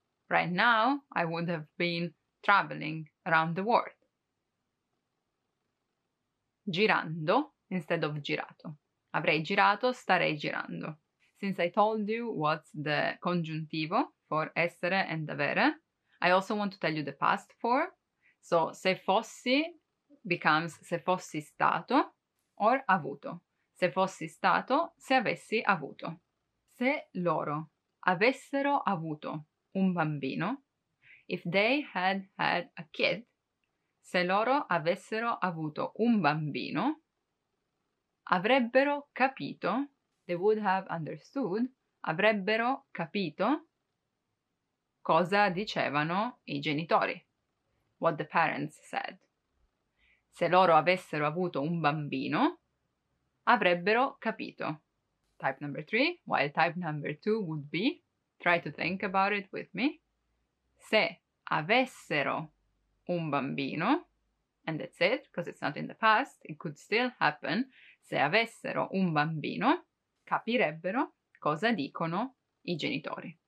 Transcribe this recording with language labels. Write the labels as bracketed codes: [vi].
[en] Right now, I would have been traveling around the world. [it] Girando [en] instead of [it] girato. Avrei girato, starei girando. [en] Since I told you what's the congiuntivo for essere and avere, I also want to tell you the past form. So, se fossi becomes se fossi stato or avuto. [it] Se fossi stato, se avessi avuto. Se loro avessero avuto un bambino, [en] if they had had a kid, [it] se loro avessero avuto un bambino, avrebbero capito. [en] They would have understood, [it] avrebbero capito cosa dicevano i genitori, [en] what the parents said. [it] se loro avessero avuto un bambino, avrebbero capito. [en] Type number 3, while type number 2 would be, try to think about it with me, [it] se avessero un bambino, [en] and that's it, because it's not in the past, it could still happen, se avessero un bambino, [it] capirebbero cosa dicono i genitori.